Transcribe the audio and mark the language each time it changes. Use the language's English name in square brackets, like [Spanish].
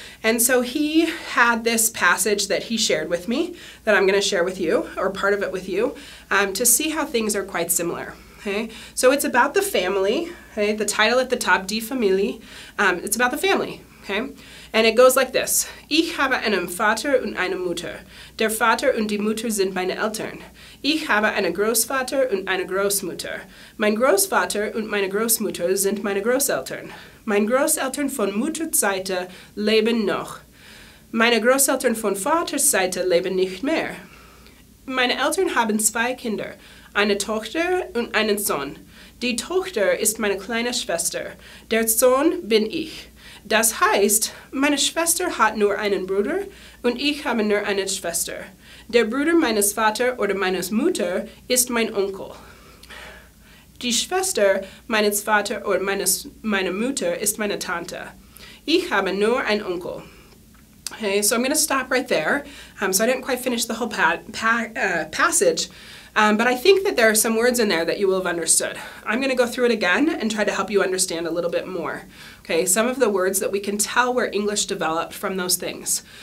[English] And so he had this passage that he shared with me that I'm going to share with you, or part of it with you, to see how things are quite similar. Okay? So it's about the family, okay? The title at the top, Die Familie, it's about the family. [German] Okay? And it goes like this. Ich habe einen Vater und eine Mutter. Der Vater und die Mutter sind meine Eltern. Ich habe einen Großvater und eine Großmutter. Mein Großvater und meine Großmutter sind meine Großeltern. Mein Großeltern von Mutterseite leben noch. Meine Großeltern von Vaterseite leben nicht mehr. Meine Eltern haben zwei Kinder, eine Tochter und einen Sohn. Die Tochter ist meine kleine Schwester. Der Sohn bin ich. Das heißt, meine Schwester hat nur einen Bruder und ich habe nur eine Schwester. Der Bruder meines Vaters oder meines Mutter ist mein Onkel. Die Schwester meines Vaters oder meiner Mutter ist meine Tante. Ich habe nur einen Onkel. [English] Okay, so I'm going to stop right there. So I didn't quite finish the whole passage, but I think that there are some words in there that you will have understood. I'm going to go through it again and try to help you understand a little bit more. Okay, some of the words that we can tell where English developed from those things.